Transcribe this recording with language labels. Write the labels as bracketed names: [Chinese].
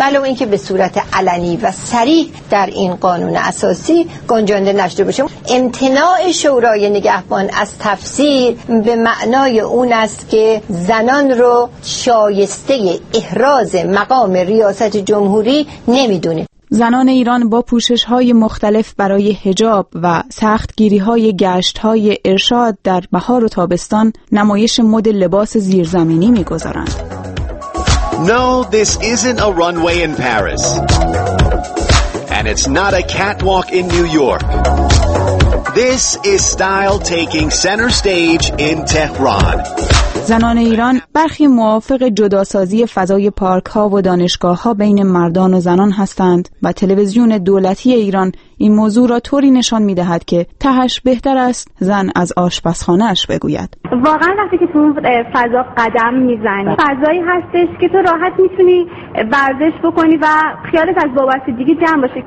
[Persian] علاوه اینکه به صورت علنی و صریح در این قانون اساسی گنجانده نشده باشه، امتناع شورای نگهبان از تفسیر به معنای اون است که زنان رو شایسته احراز مقام ریاست جمهوری نمیدونه. زنان ایران با پوشش‌های مختلف برای حجاب و سخت‌گیری‌های گشت‌های ارشاد در بهار و تابستان نمایش مد لباس زیرزمینی می‌گذارند. [English] No, this isn't a runway in Paris. And it's not a catwalk in New York. This is style taking center stage in Tehran. [Persian] زنان ایران برخی موافق جداسازی فضای پارک ها و دانشگاه ها بین مردان و زنان هستند و تلویزیون دولتی ایران این موضوع را طوری نشان می دهد که تهش بهتر است زن از آشپزخانه اش بگوید. واقعا وقتی که تو فضا قدم می زنی فضایی هستش که تو راحت می تونی ورزش بکنی و خیالت از بابت دیگه جمع باشه.